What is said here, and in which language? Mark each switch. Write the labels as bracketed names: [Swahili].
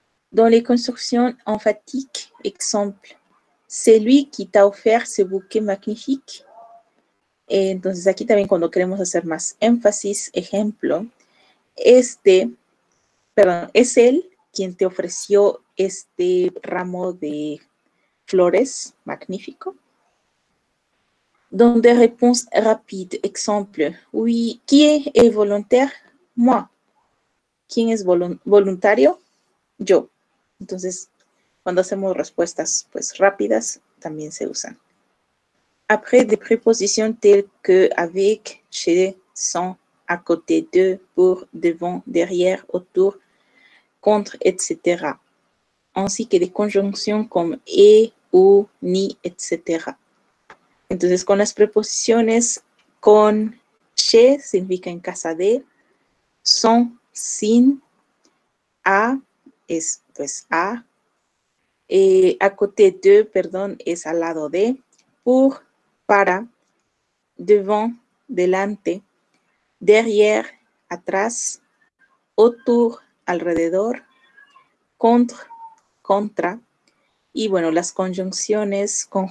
[French] Dans les constructions emphatiques, exemple, c'est lui qui t'a offert ce bouquet magnifique. [Spanish] Entonces, aquí también cuando queremos hacer más énfasis, ejemplo, es él quien te ofreció este ramo de flores magnífico. [French] Donc, des réponses rapides, exemple, oui, qui est volontaire? [Spanish] Moi. ¿Quién es voluntario? Yo. Entonces, cuando hacemos respuestas pues, rápidas, también se usan. [French] Après, des prépositions telles que avec, chez, sans, à côté de, pour, devant, derrière, autour, contre, etc. Ainsi que des conjonctions comme et, ou, ni, etc. [Spanish] Entonces, con las preposiciones, con, chez, significa en casa de, sans, sin, a, es pues a, à côté de, perdón, es al lado de, pour, para, devant, delante, derrière, atrás, autour, alrededor, contre, contra, y bueno, las conjunciones,